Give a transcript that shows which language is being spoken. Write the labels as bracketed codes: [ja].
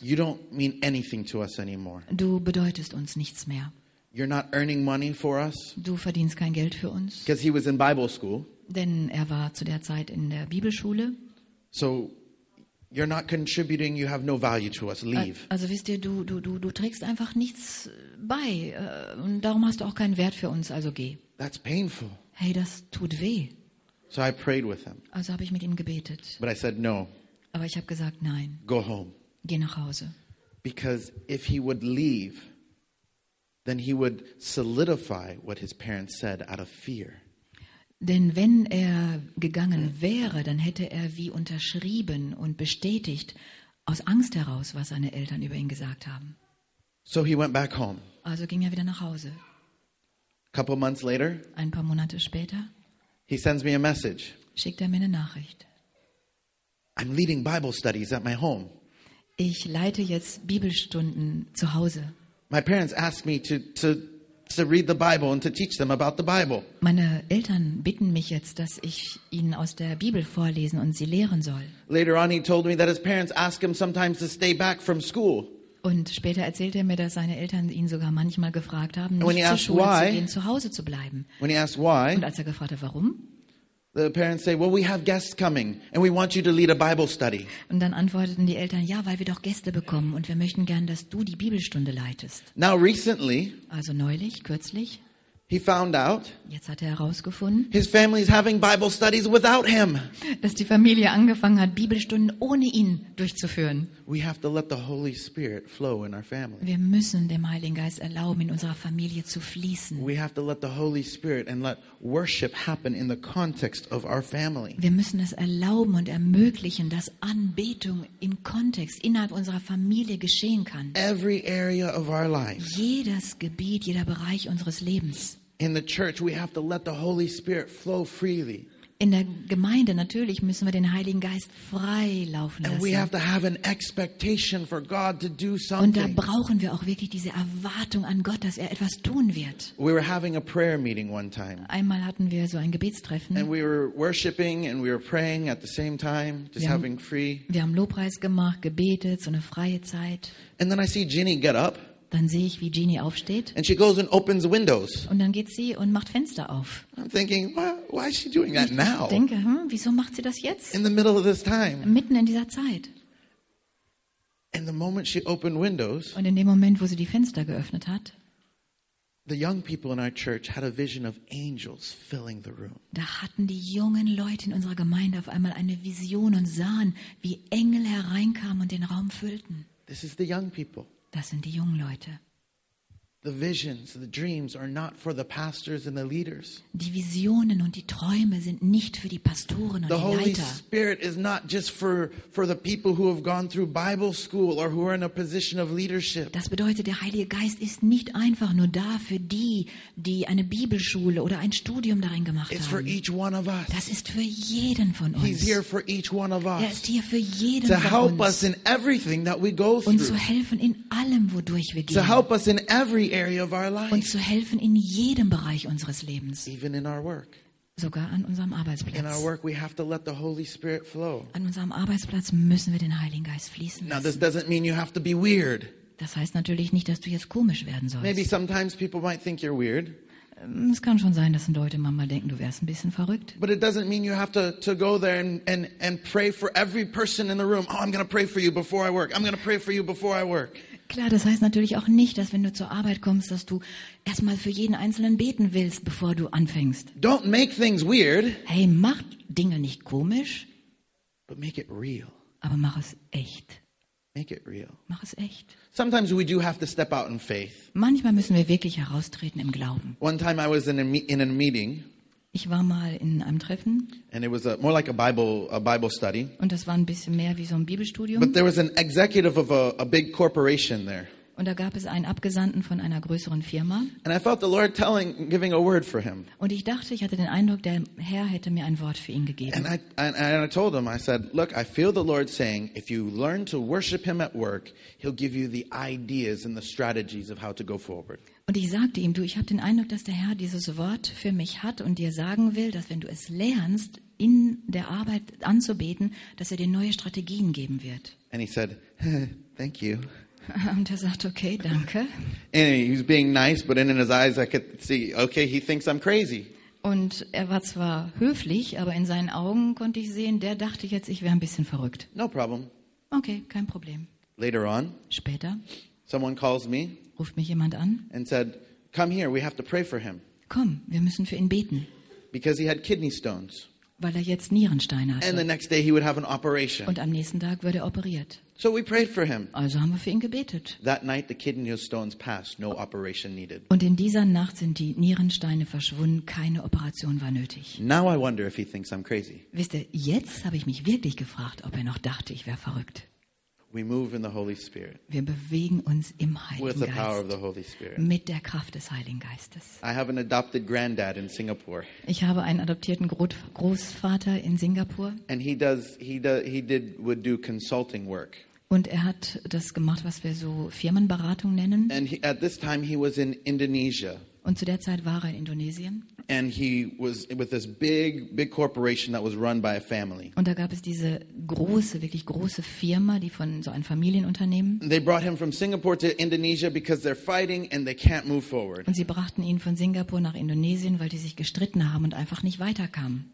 [en] You don't mean anything to us anymore. [de] Du bedeutest uns nichts mehr. [en] You're not earning money for us. [de] Du verdienst kein Geld für uns. [en] Because he was in Bible school. [de] Denn er war zu der Zeit in der Bibelschule. [en] So, you're not contributing, you have no value to us, leave. [de] Also wisst ihr, du trägst einfach nichts bei und darum hast du auch keinen Wert für uns, also geh. [en] That's painful. [de] Hey, das tut weh. [en] So I prayed with him. [de] Also habe ich mit ihm gebetet. [en] But I said no. [de] Aber ich habe gesagt nein. [en] Go home. [de] Geh nach Hause. [en] Because if he would leave, then he would solidify what his parents said out of fear. [de] Denn wenn er gegangen wäre, dann hätte er wie unterschrieben und bestätigt aus Angst heraus, was seine Eltern über ihn gesagt haben. [en] So he went back home. [de] Also ging er wieder nach Hause. [en] Couple months later, [de] ein paar Monate später, [en] he sends me a message. [de] Schickt er mir eine Nachricht. [en] I'm leading Bible studies at my home. [de] Ich leite jetzt Bibelstunden zu Hause. [en] My parents asked me to read the Bible and to teach them about the Bible. [de] Meine Eltern bitten mich jetzt, dass ich ihnen aus der Bibel vorlesen und sie lehren soll. [en] Later on, he told me that his parents ask him sometimes to stay back from school. [de] Und später erzählte er mir, dass seine Eltern ihn sogar manchmal gefragt haben, nicht zur Schule zu gehen, zu Hause zu bleiben. [en] When he asked why, [de] und als er gefragt hat, warum? [en] The parents say, well, we have guests coming and we want you to lead a Bible study. [de] Und dann antworteten die Eltern, ja, weil wir doch Gäste bekommen und wir möchten gern, dass du die Bibelstunde leitest. [en] Now recently, [de] also neulich, kürzlich, [en] he found out, [de] jetzt hat er herausgefunden, [en] his family is having Bible studies without him. [de] Dass die Familie angefangen hat, Bibelstunden ohne ihn durchzuführen. [en] We have to let the Holy Spirit flow in our family. [de] Wir müssen dem Heiligen Geist erlauben, in unserer Familie zu fließen. [en] We have to let the Holy Spirit and let worship happen in the context of our family. [de] Wir müssen es erlauben und ermöglichen, dass Anbetung im Kontext innerhalb unserer Familie geschehen kann. [en] Every area of our life. [de] Jedes Gebiet, jeder Bereich unseres Lebens. [en] In the church we have to let the Holy Spirit flow freely. [de] In der Gemeinde natürlich müssen wir den Heiligen Geist frei laufen lassen. [en] And we have to have an expectation for God to do something. [de] Und da brauchen wir auch wirklich diese Erwartung an Gott, dass er etwas tun wird. [en] We were having a prayer meeting one time. [de] Einmal hatten wir so ein Gebetstreffen. [en] And we were worshiping and we were praying at the same time, just having free. [de] Wir haben Lobpreis gemacht, gebetet, so eine freie Zeit. [en] And then I see Ginny get up. [de] Dann sehe ich, wie Jeannie aufsteht. [en] And she goes and opens windows. [de] Und dann geht sie und macht Fenster auf. [en] I'm thinking, why is she doing that now? [de] Ich denke, wieso macht sie das jetzt? [en] In the middle of this time. [de] Mitten in dieser Zeit. [en] In the moment she opened windows. [de] Und in dem Moment, wo sie die Fenster geöffnet hat. [en] The young people in our church had a vision of angels filling the room. [de] Da hatten die jungen Leute in unserer Gemeinde auf einmal eine Vision und sahen, wie Engel hereinkamen und den Raum füllten. [en] This is the young people. [de] Das sind die jungen Leute. [en] The visions, the dreams are not for the pastors and the leaders. [de] Die Visionen und die Träume sind nicht für die Pastoren und [en] the [de] die [en] Holy [de] Leiter. [en] The Holy Spirit is not just for the people who have gone through Bible school or who are in a position of leadership. [de] Das bedeutet, der Heilige Geist ist nicht einfach nur da für die, die eine Bibelschule oder ein Studium darin gemacht [en] It's [de] haben. [en] It's for each one of us. [de] Das ist für jeden von uns. [en] He's here for each one of us. [de] Er ist hier für jeden [en] to [de] von uns. [en] To help us in everything that we go through. [de] Und zu helfen in allem, wodurch wir gehen. [en] To help us in every area of our life. [de] Und zu helfen in jedem Bereich unseres Lebens. [en] Even in our work. [de] Sogar an unserem Arbeitsplatz. [en] In our work we have to let the Holy Spirit flow. [de] An unserem Arbeitsplatz müssen wir den Heiligen Geist fließen lassen. [en] Now this doesn't mean you have to be weird. [de] Das heißt natürlich nicht, dass du jetzt komisch werden sollst. [en] Maybe sometimes people might think you're weird. [de] Es kann schon sein, dass Leute manchmal denken, du wärst ein bisschen verrückt. [en] But it doesn't mean you have to go there and pray for every person in the room. Oh, I'm going to pray for you before I work. I'm going to pray for you before I work. [de] Klar, das heißt natürlich auch nicht, dass wenn du zur Arbeit kommst, dass du erstmal für jeden Einzelnen beten willst, bevor du anfängst. [en] Don't make things weird. [de] Hey, mach Dinge nicht komisch. [en] But make it real. [de] Aber mach es echt. [en] Make it real. [de] Mach es echt. [en] Sometimes we do have to step out in faith. [de] Manchmal müssen wir wirklich heraustreten im Glauben. [en] One time I was in a meeting. [de] Ich war mal in einem Treffen. [en] And it was more like a Bible study. [de] Und das war ein bisschen mehr wie so ein Bibelstudium. [en] But there was an executive of a big corporation there. [de] Und da gab es einen Abgesandten von einer größeren Firma. [en] And I felt the Lord giving a word for him. [de] Und ich dachte, ich hatte den Eindruck, der Herr hätte mir ein Wort für ihn gegeben. [en] And I told him, I said, look, I feel the Lord saying, if you learn to worship him at work, he'll give you the ideas and the strategies of how to go forward. [de] Und ich sagte ihm, du, ich habe den Eindruck, dass der Herr dieses Wort für mich hat und dir sagen will, dass wenn du es lernst, in der Arbeit anzubeten, dass er dir neue Strategien geben wird. [en] And he said, thank you. [de] Und er sagt, okay, danke. [en] Anyway, he was being nice, but in his eyes I could see, okay, he thinks I'm crazy. [de] Und er war zwar höflich, aber in seinen Augen konnte ich sehen, der dachte jetzt, ich wäre ein bisschen verrückt. [en] No problem. [de] Okay, kein Problem. [en] Later on. [de] Später. [en] Someone calls me. [de] Ruft mich jemand an. [en] And said, come here, we have to pray for him. [de] Komm, wir müssen für ihn beten. [en] Because he had kidney stones. [de] Weil er jetzt Nierensteine hatte. [en] And the next day he would have an operation. [de] Und am nächsten Tag würde er operiert. [en] So we prayed for him. [de] Also haben wir für ihn gebetet. [en] That night the kidney stones passed, no operation needed. [de] Und in dieser Nacht sind die Nierensteine verschwunden, keine Operation war nötig. [en] Now I wonder if he thinks I'm crazy. [de] Wisst ihr, jetzt habe ich mich wirklich gefragt, ob er noch dachte, ich wäre verrückt. [en] We move in the Holy Spirit. [de] Wir bewegen uns im Heiligen [en] With the [de] Geist. [en] Power of the Holy Spirit. [de] Mit der Kraft des Heiligen Geistes. [en] I have an adopted granddad in Singapore. [de] Ich habe einen adoptierten Großvater in Singapur. [en] And he would do consulting work. [de] Und er hat das gemacht, was wir so Firmenberatung nennen. [en] And at this time he was in Indonesia. [de] Und zu der Zeit war er in Indonesien. [en] And he was with this big corporation that was run by a family. [de] Und da gab es diese große, wirklich große Firma, die von so einem Familienunternehmen. [en] They brought him from Singapore to Indonesia because they're fighting and they can't move forward. [de] Und sie brachten ihn von Singapur nach Indonesien, weil die sich gestritten haben und einfach nicht weiterkamen.